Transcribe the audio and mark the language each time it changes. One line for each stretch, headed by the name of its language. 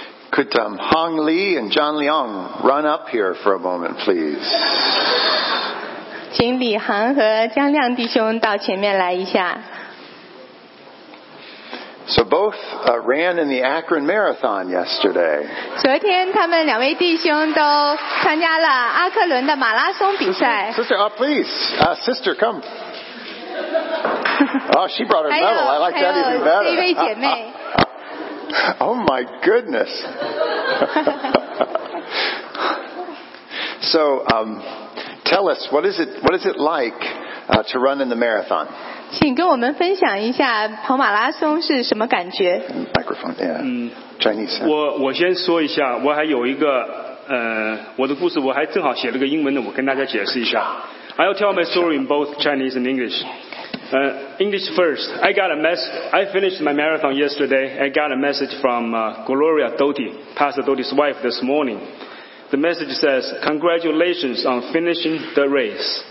English: Could Hong Lee and John Leong run up here for a moment, please?
Chinese: 请李航和江亮弟兄到前面来一下。
English: So both ran in the Akron Marathon yesterday.
Chinese: 昨天他们两位弟兄都参加了阿克伦的马拉松比赛。
English: Sister, please, sister, come. Oh, she brought her medal. I like that even better.
Chinese: 一位姐妹。
English: Oh my goodness. So. Tell us, what is it like, to run in the marathon?
Chinese: 请跟我们分享一下跑马拉松是什么感觉。
English: Microphone, yeah. Chinese.
Chinese: 我先说一下，我还有一个，我的故事，我还正好写了个英文的，我跟大家解释一下。
English: I'll tell my story in both Chinese and English. English first. I finished my marathon yesterday. I got a message from Gloria Doty, Pastor Doty's wife, this morning. The message says, "Congratulations on finishing the race."